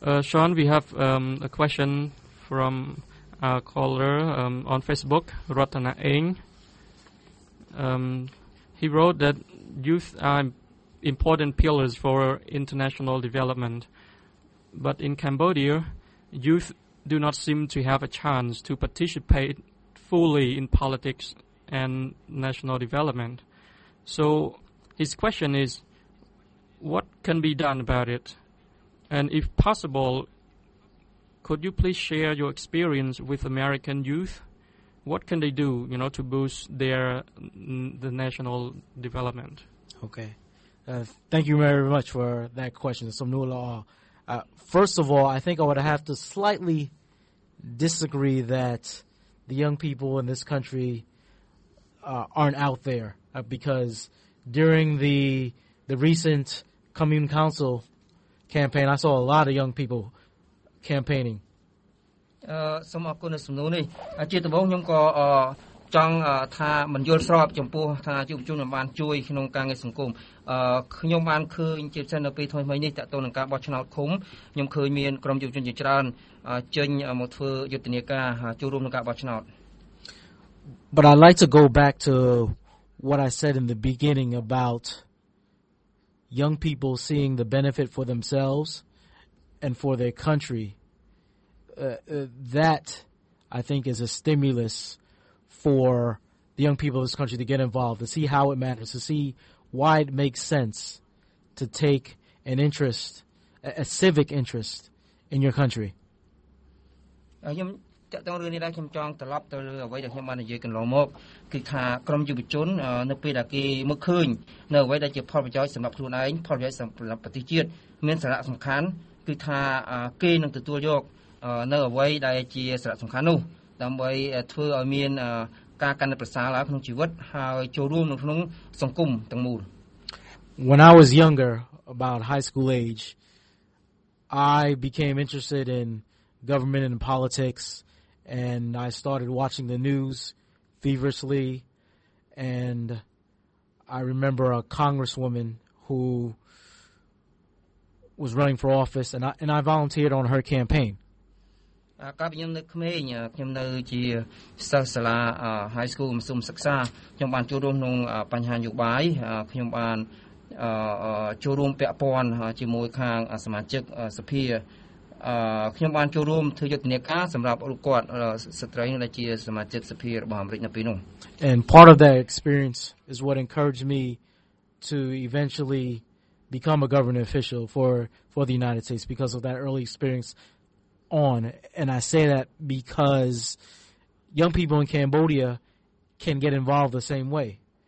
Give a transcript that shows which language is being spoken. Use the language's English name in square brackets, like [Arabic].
[English] Sean we have a question from a caller on Facebook Ratana Eng he wrote that youth are important pillars for international developmentBut in Cambodia, youth do not seem to have a chance to participate fully in politics and national development. So his question is, what can be done about it? And if possible, could you please share your experience with American youth? What can they do, you know, to boost their the national development? Okay. Thank you very much for that question. First of all, I think I would have to slightly disagree that the young people in this country aren't out there because during the recent Commune Council campaign, I saw a lot of young people campaigning. [Khmer] សូមអរគុណសំណួរនេះជាដំបូងខ្ញុំក៏ចង់ថាមិនយល់ស្របចំពោះថាយុវជនមិនបានជួយក្នុងការងារសង្គមខ្ញុំបានឃើញជាពិសេសនៅពេលថ្មីៗនេះតាក់ទងនឹងការបោះឆ្នោតឃុំខ្ញុំឃើញមានក្រុមយុវជនជាច្រើនចេញមកធ្វើយុទ្ធនាការចូលរួមក្នុងការបោះឆ្នោត [English] But I'd like to go back to what I said in the beginning about young people seeing the benefit for themselves and for their country that I think is a stimulus for the young people of this country to get involved to see how it matters to seeWhy it makes sense to take an interest, a civic interest, in your country. [Khmer] ខ្ញុំតាក់ទងរឿងនេះដែរខ្ញុំចង់ត្រឡប់ទៅលើអ្វីដែលខ្ញុំបាននិយាយកន្លងមកគឺថាក្រុមយុវជននៅពេលដែលគេមើលឃើញនៅអ្វីដែលជាផលប្រយោជន៍សម្រាប់ខ្លួនឯងផលប្រយោជន៍សម្រាប់ប្រទេសជាតិមានសារៈសំខាន់គឺថាគេនឹងទទួលយកនៅអ្វីដែលជាសារៈសំខាន់នោះដើម្បីធ្វើឲ្យមានការកាន់តែប្រសើរឡើងក្នុងជីវិតហើយចូលរួមក្នុងសង្គមទាំងមូល [English] When I was younger, about high school age, I became interested in government and politics, and I started watching the news feverishly, and I remember a congresswoman who was running for office, and I volunteered on her campaign. [Khmer] កាលខ្ញុំនៅក្មេងខ្ញុំនៅជាសិស្សសាលា high school មសុំសិក្សាខ្ញុំបានចូលរួមក្នុងបញ្ហានយោបាយខ្ញុំបានចូលរួមពាក់ព័ន្ធជាមួយខាងសមាជិកសភាខ្ញុំបានចូលរួមធ្វើយុទ្ធនាការសម្រាប់រូបគាត់ស្ត្រីដែលជាសមាជិកសភារបស់អាមេរិកនៅពេលនោះ [English] And part of that experience is what encouraged me to eventually become a government official for the United States because of that early experienceOn, and I say that because young people in Cambodia can get involved the same way.